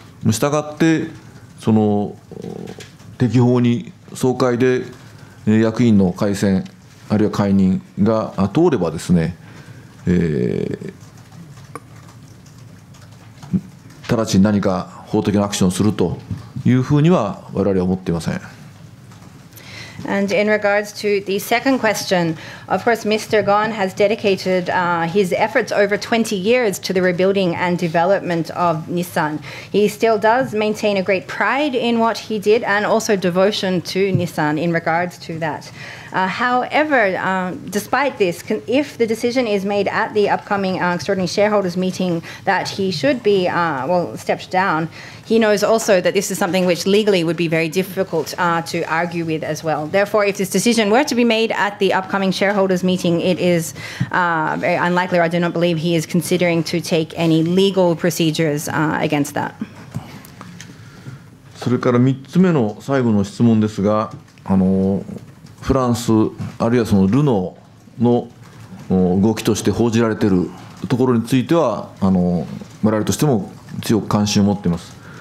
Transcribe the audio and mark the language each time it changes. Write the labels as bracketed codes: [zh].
[ja] したがって、その適法に総会で役員の改選、あるいは解任が通ればですね、直ちに何か法的なアクションをするというふうには我々は思っていません。 [en] And in regards to the second question, of course, Mr. Ghosn has dedicated his efforts over 20 years to the rebuilding and development of Nissan. He still does maintain a great pride in what he did and also devotion to Nissan in regards to that. However, despite this, if the decision is made at the upcoming extraordinary shareholders meeting that he should be, stepped down, he knows also that this is something which legally would be very difficult to argue with as well. Therefore, if this decision were to be made at the upcoming shareholders meeting, it is very unlikely, or I do not believe he is considering to take any legal procedures against that. [ja] それから3つ目の最後の質問ですが、フランス、あるいはそのルノーの動きとして報じられているところについては、我々としても強く関心を持っています。